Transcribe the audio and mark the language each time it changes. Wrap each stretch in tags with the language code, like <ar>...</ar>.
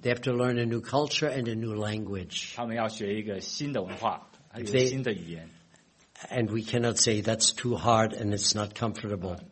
<en>They have to learn a new culture and a new language.</en> <zh>他们要学一个新的文化，还有新的语言。</zh> <en>And we cannot say that's too hard and it's not comfortable.</en>